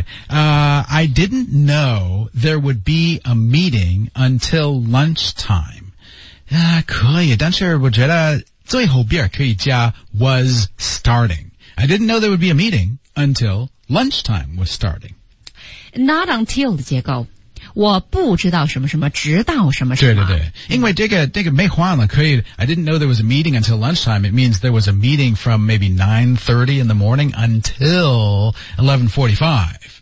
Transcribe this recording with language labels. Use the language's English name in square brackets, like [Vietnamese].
[English] I didn't know there would be a meeting until lunchtime. [Chinese] 可以，但是我觉得最后边可以加 [English] was starting. I didn't know there would be a meeting until lunchtime was starting. [Chinese] Not until 的结构。我不知道什么什么直到什么什么。对。因为这个没换了可以 [English] ,I didn't know there was a meeting until lunchtime. It means there was a meeting from maybe 9:30 in the morning until 11:45.